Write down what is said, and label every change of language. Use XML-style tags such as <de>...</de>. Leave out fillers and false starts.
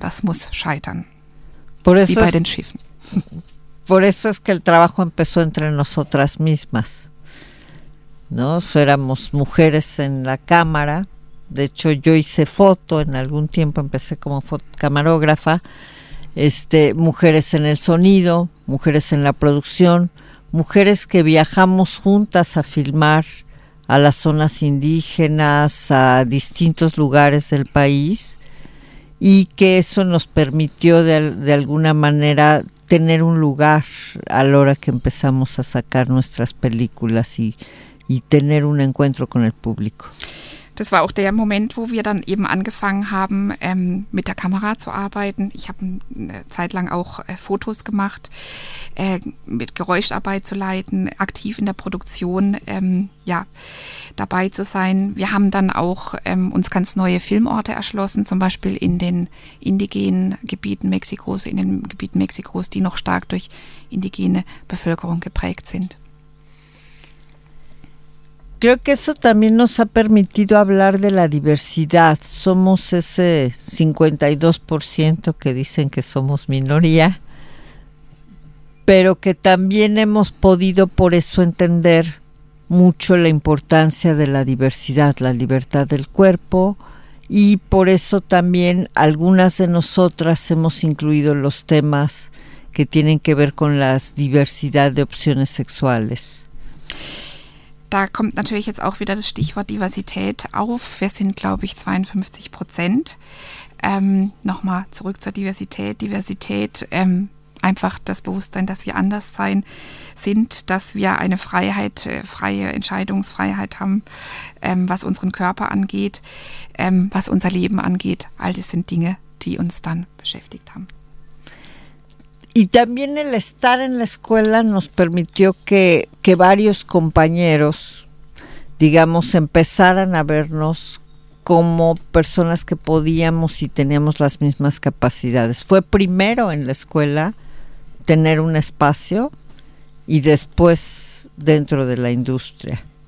<de>Das muss scheitern,</de> <es>por eso</es> <de>wie bei den Schiffen.</de> <es>Por eso es que el trabajo empezó entre nosotras mismas, ¿no? Éramos mujeres en la cámara. De hecho, yo hice foto en algún tiempo, empecé como camarógrafa. Mujeres en el sonido, mujeres en la producción, mujeres que viajamos juntas a filmar a las zonas indígenas, a distintos lugares del país, y que eso nos permitió de alguna manera tener un lugar a la hora que empezamos a sacar nuestras películas y tener un encuentro con el público.</es> <de>Das war auch der Moment, wo wir dann eben angefangen haben, mit der Kamera zu arbeiten. Ich habe eine Zeit lang auch Fotos gemacht, mit Geräuscharbeit zu leiten, aktiv in der Produktion dabei zu sein. Wir haben dann auch uns ganz neue Filmorte erschlossen, zum Beispiel in den indigenen Gebieten Mexikos, in den Gebieten Mexikos, die noch stark durch indigene Bevölkerung geprägt sind.</de> <es>Creo que eso también nos ha permitido hablar de la diversidad. Somos ese 52% que dicen que somos minoría, pero que también hemos podido por eso entender mucho la importancia de la diversidad, la libertad del cuerpo, y por eso también algunas de nosotras hemos incluido los temas que tienen que ver con la diversidad de opciones sexuales.</es> <de>Da kommt natürlich jetzt auch wieder das Stichwort Diversität auf. Wir sind, glaube ich, 52%. Nochmal zurück zur Diversität. Diversität, einfach das Bewusstsein, dass wir anders sein sind, dass wir eine Freiheit, freie Entscheidungsfreiheit haben, was unseren Körper angeht, was unser Leben angeht. All das sind Dinge, die uns dann beschäftigt haben.</de> <es>Y también el estar en la escuela nos permitió que varios compañeros, digamos, empezaran a vernos como personas que podíamos y teníamos las mismas capacidades. Fue primero en la escuela tener un espacio y después dentro de la industria.</es>